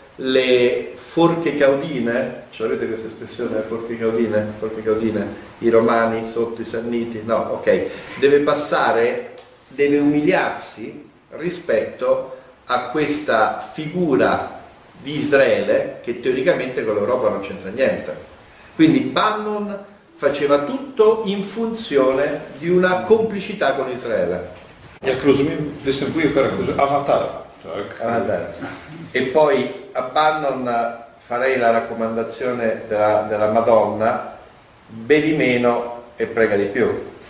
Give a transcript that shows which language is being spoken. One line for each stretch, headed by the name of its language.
Italian: le forche caudine, ce l'avete questa espressione, forche caudine, i romani sotto i sanniti, no, ok, deve umiliarsi rispetto a questa figura di Israele che teoricamente con l'Europa non c'entra niente. Quindi Bannon faceva tutto in funzione di una complicità con Israele.
Polish: Jak rozumiem, występuje w charakterze awatara, tak?
Italian: E poi a Bannon farei la raccomandazione della Madonna: bevi meno e prega di più.